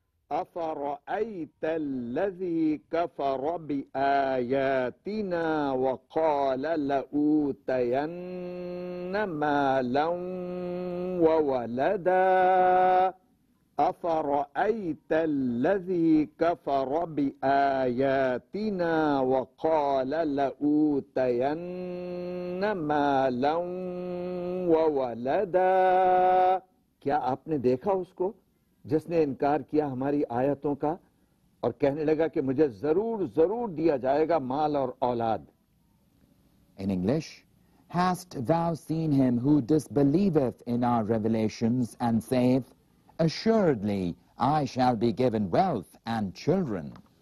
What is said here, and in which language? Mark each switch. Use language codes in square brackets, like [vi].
[ar] أفرأيت الذي كفر بآياتنا وقال لأوتين مالا وولدا. أفرأيت الذي كفر بآياتنا وقال لأوتين مالا وولدا. [ur] کیا آپ نے دیکھا اس کو جس نے انکار کیا ہماری آیتوں کا اور کہنے لگا کہ مجھے ضرور ضرور دیا جائے گا مال اور اولاد. [en] In English, hast thou seen him who disbelieveth in our revelations and saith, assuredly I shall be given wealth and children.